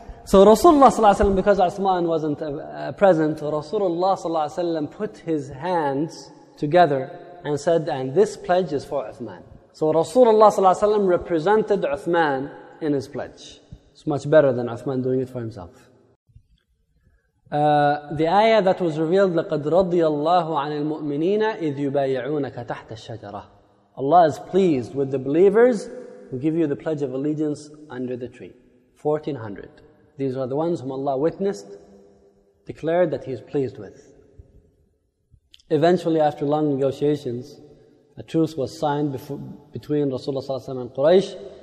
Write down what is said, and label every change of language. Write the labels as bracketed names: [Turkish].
[English] So Rasulullah sallallahu alayhi wa sallam, because Uthman wasn't present, Rasulullah sallallahu alayhi wa sallam put his hands together and said, and this pledge is for Uthman. So Rasulullah sallallahu alayhi wa sallam represented Uthman in his pledge. It's much better than Uthman doing it for himself. The ayah that was revealed, [Arabic] لَقَدْ رَضِيَ اللَّهُ عَنِ الْمُؤْمِنِينَ إِذْ يُبَايِعُونَكَ تَحْتَ الشَّجَرَةِ. [English] Allah is pleased with the believers who give you the pledge of allegiance under the tree. 1400. These are the ones whom Allah witnessed, declared that He is pleased with. Eventually, after long negotiations, a truce was signed between Rasulullah ﷺ and Quraysh.